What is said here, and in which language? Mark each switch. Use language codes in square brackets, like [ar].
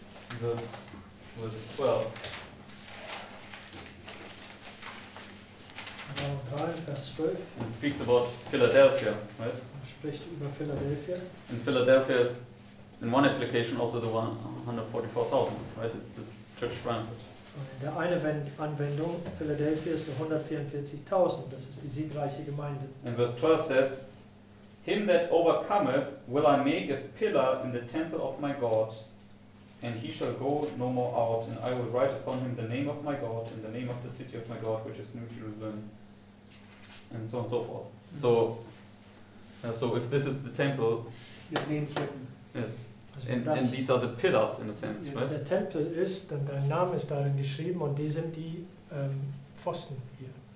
[en] Verse 12. Now 3, verse 12. It speaks about Philadelphia, right? [de] Spricht über Philadelphia. [en] And Philadelphia is, in one application, also the 144,000, right? It's this church. granted. [de] Und in der einen Anwendung, Philadelphia, ist 144.000, das ist die siegreiche Gemeinde. [en] And verse 12 says, him that overcometh will I make a pillar in the temple of my God, and he shall go no more out, and I will write upon him the name of my God and the name of the city of my God, which is New Jerusalem, and so on and so forth. Mm-hmm. So if this is the temple, your name's written. Yes. And these are the pillars in a sense, yes, right? [de] Der Tempel ist, dann dein Name ist darin geschrieben und die sind die Pfosten hier.